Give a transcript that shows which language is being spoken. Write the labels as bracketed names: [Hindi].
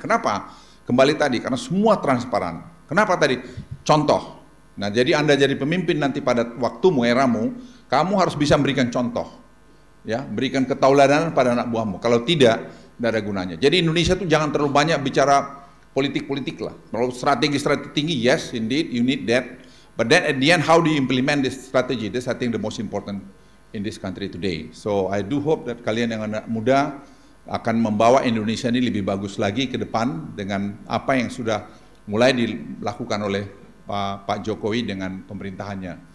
[Indonesian] Kenapa? Kembali tadi, karena semua transparan. Kenapa tadi? Contoh. Nah, jadi Anda jadi pemimpin nanti pada waktumu, eramu, kamu harus bisa memberikan contoh. Ya, berikan keteladanan pada anak buahmu. Kalau tidak, tidak ada gunanya. Jadi Indonesia itu jangan terlalu banyak bicara politik-politik lah. Kalau strategi-strategi tinggi, [English] yes, indeed, you need that. But then at the end, how do you implement this strategy? This I think the most important in this country today. So I do hope that [Indonesian] kalian yang anak muda akan membawa Indonesia ini lebih bagus lagi ke depan dengan apa yang sudah mulai dilakukan oleh Pak Jokowi dengan pemerintahannya.